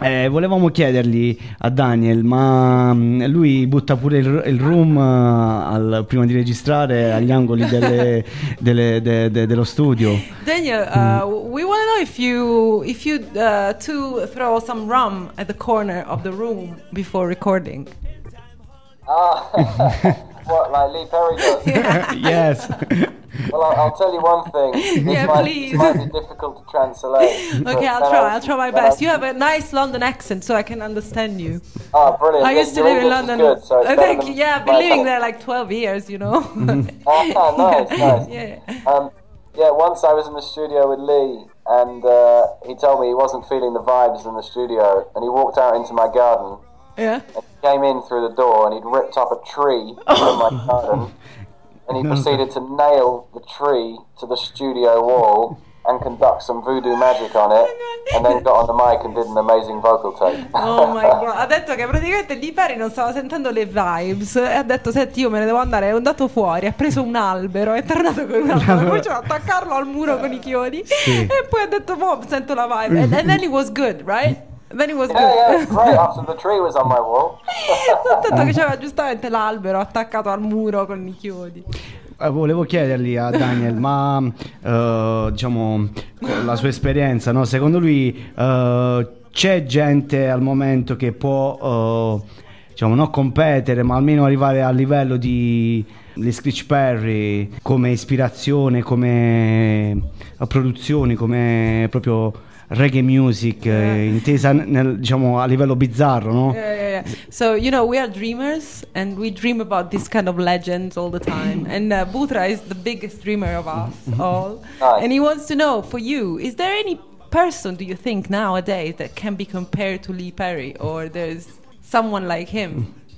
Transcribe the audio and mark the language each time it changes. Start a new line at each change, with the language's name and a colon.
Italian: Volevamo chiedergli a Daniel, ma lui butta pure il room prima di registrare agli angoli dello studio.
English: Daniel, we want to know if you throw some rum at the corner of the room before recording. What, like Lee Perry does? Yeah. Yes. Well, I'll tell you one thing. Please. It might be difficult to translate. Okay, I'll try my best. You have a nice London accent, so I can understand you. Oh, brilliant. I used to live in London. Good, so it's thank you. Yeah, I've been living there like 12 years, you know. Once I was in the studio with Lee, and he told me he wasn't feeling the vibes in the studio, and he walked out into my garden. Yeah. And he came in through the door, and he'd ripped up a tree from my garden. And he proceeded to nail the tree to the studio wall and conduct some voodoo magic on it, and then got on the mic and did an amazing vocal take.
Italian: Oh my god, ha detto che praticamente Lee Perry non stava sentendo le vibes e ha detto: senti, io me ne devo andare. È andato fuori, ha preso un albero, è tornato con un albero, poi c'è attaccarlo al muro con i chiodi, sì. E poi ha detto: boh, sento la vibe.
English: And then it was good, right? Then it was good. Yeah, right after the tree was on my wall.
Italian: Tanto che c'era giustamente l'albero attaccato al muro con i chiodi. Volevo chiedergli a Daniel, ma diciamo con la sua esperienza, no? Secondo lui c'è gente al momento che può diciamo non competere, ma almeno arrivare al livello di gli Screech Perry come ispirazione, come produzioni, come proprio reggae music intesa nel, diciamo a livello bizzarro, no?
English: So you know, we are dreamers and we dream about this kind of legends all the time, and Butra is the biggest dreamer of us all. And he wants to know, for you, is there any person do you think nowadays that can be compared to Lee Perry, or there's someone like him?